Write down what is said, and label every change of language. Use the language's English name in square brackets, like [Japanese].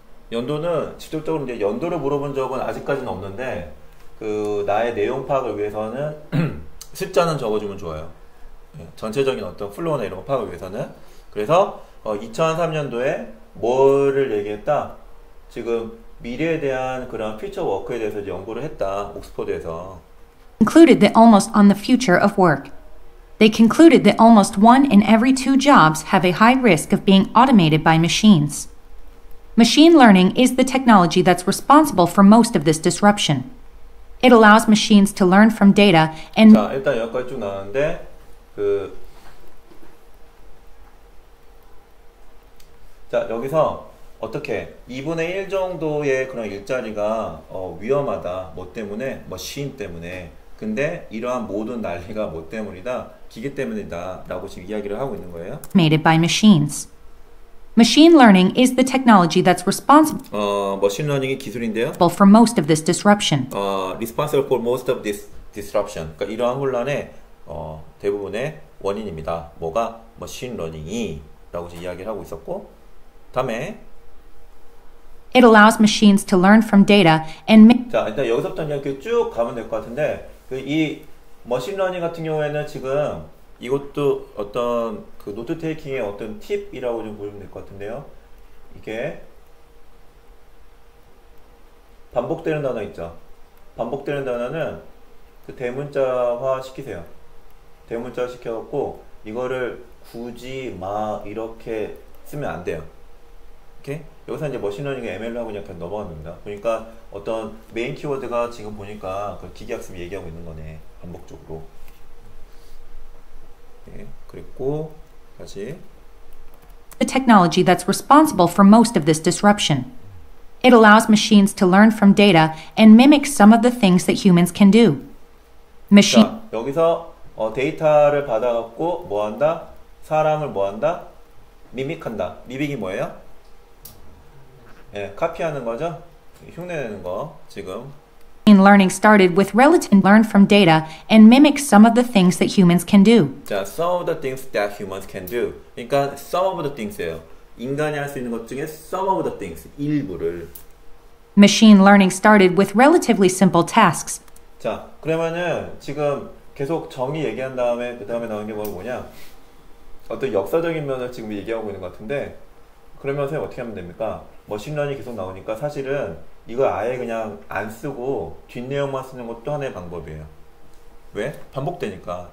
[Korean] 연도는 직접적으로 이제 연도를 물어본 적은 아직까지는 없는데 그 나의 내용 파악을 위해서는 숫자는 적어주면 좋아요. 전체적인 어떤 플로우나 이런 거 파악을 위해서는. 그래서 2003년도에 뭐를 얘기했다? 지금 미래에 대한 그런 퓨처 워크에 대해서 연구를 했다. 옥스퍼드에서. [English] Concluded that almost on the future of work. They concluded that almost one in every two jobs have a high risk of being automated by machines. Machine learning is the technology that's responsible for most of this disruption. It allows machines to learn from data and [Korean] 자, 일단 여기까지 쭉 나왔는데 그 자, 여기서 어떻게 2분의 1 정도의 그런 일자리가 위험하다. 뭐 때문에? 머신 때문에. 근데 이러한 모든 난리가 뭐 때문이다? 기계 때문이다 라고 지금 이야기를 하고 있는 거예요. [English] Made it by machines. Machine learning is the technology that's responsible. [Korean] 머신 러닝이 기술인데요. [English] For most of this disruption. Responsible for most of this disruption. [Korean] 그러니까 이러한 혼란의 대부분의 원인입니다. 뭐가 머신 러닝이 라고 지금 이야기를 하고 있었고 다음에 It allows machines to learn from data and 자, 일단 여기서부터 이렇게 쭉 가면 될 것 같은데 그 이 머신 러닝 같은 경우에는 지금 이것도 어떤 그 노트 테이킹의 어떤 팁이라고 좀 보시면 될 것 같은데요. 이게 반복되는 단어 있죠. 반복되는 단어는 그 대문자화 시키세요. 대문자화 시켜갖고 이거를 굳이 마 이렇게 쓰면 안 돼요. 이렇게 여기서 이제 머신 러닝의 ML로 하고 그냥 넘어갑니다. 그러니까 어떤 메인 키워드가 지금 보니까 그 기계 학습 얘기하고 있는 거네. 반복적으로. 네, 그리고 다시 [English] The technology that's responsible for most of this disruption. It allows machines to learn from data and mimic some of the things that humans can do. [Korean] Machine 자, 여기서 데이터를 받아갖고 뭐 한다? 사람을 뭐 한다? 미믹한다. 미믹이 뭐예요? 예, 카피하는 거죠? 흉내내는 거, 지금. [English] Machine learning started with relative and learned from data and mimics some of the things that humans can do. [Korean] 자, some of the things that humans can do. 그러니까 some of the things 예요. 인간이 할 수 있는 것 중에 some of the things, 일부를. [English] Machine learning started with relatively simple tasks. [Korean] 자, 그러면은 지금 계속 정의 얘기한 다음에 그 다음에 나온 게 뭐냐? 어떤 역사적인 면을 지금 얘기하고 있는 것 같은데 그러면 선생님 어떻게 하면 됩니까? 머신러닝이 계속 나오니까 사실은 이걸 아예 그냥 안 쓰고 뒷내용만 쓰는 것도 하나의 방법이에요. 왜? 반복되니까.